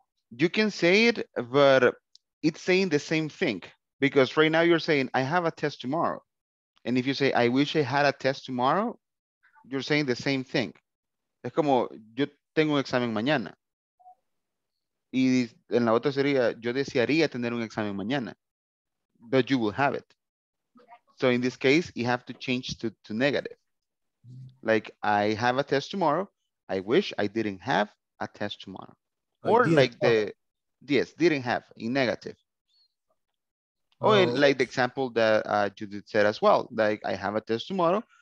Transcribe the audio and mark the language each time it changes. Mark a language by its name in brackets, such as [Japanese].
[English] You can say it, but it's saying the same thing. Because right now you're saying, I have a test tomorrow. And if you say, I wish I had a test tomorrow, you're saying the same thing. [Spanish] Es como, yo tengo un examen mañana. Y en la otra sería, yo desearía tener un examen mañana. [English] But you will have it. So in this case, you have to change to negative. Like, I have a test tomorrow. I wish I didn't have a test tomorrow. Or like the, yes, didn't have, in negative. Oh, and like the example that Judith said as well, like, I have a test tomorrow.